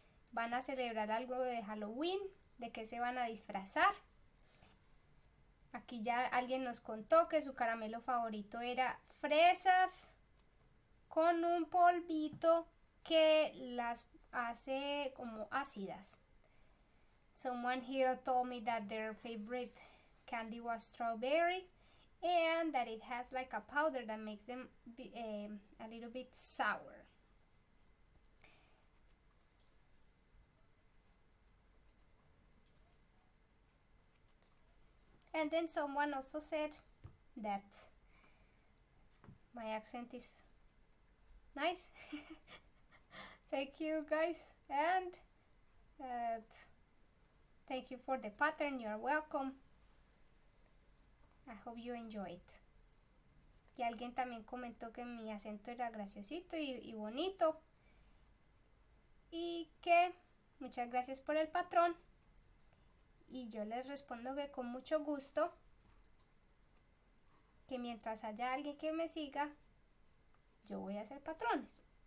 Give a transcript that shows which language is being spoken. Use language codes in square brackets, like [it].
[es] ¿Van a celebrar algo de Halloween? ¿De qué se van a disfrazar? Aquí ya alguien nos contó que su caramelo favorito era fresas con un polvito que las hace como ácidas. [en] Someone here told me that their favorite candy was strawberry and that it has like a powder that makes them be, a little bit sour. And then someone also said that my accent is nice. Thank you guys, and thank you for the pattern, you're welcome. I hope you enjoy it. [es] Y alguien también comentó que mi acento era graciosito y bonito. Y que muchas gracias por el patrón. Y yo les respondo que con mucho gusto, que mientras haya alguien que me siga, yo voy a hacer patrones.